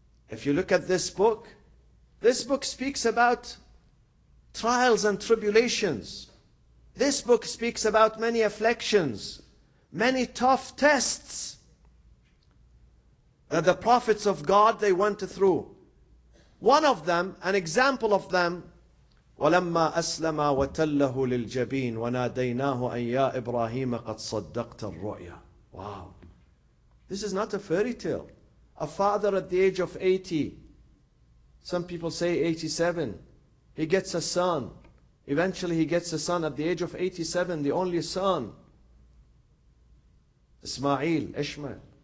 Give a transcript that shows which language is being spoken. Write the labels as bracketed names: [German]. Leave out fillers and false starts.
[English] If you look at this book speaks about trials and tribulations. This book speaks about many afflictions, many tough tests that the prophets of God, they went through. One of them, an example of them, [Arabic] وَلَمَّا أَسْلَمَا وَتَلَّهُ لِلْجَبِينَ وَنَادَيْنَاهُ أَنْ يَا إِبْرَاهِيمَ قَدْ صَدَّقْتَ الرُّؤْيَا. [English] Wow. This is not a fairy tale. A father at the age of 80, some people say 87, he gets a son. Eventually he gets a son at the age of 87, the only son, Ishmael.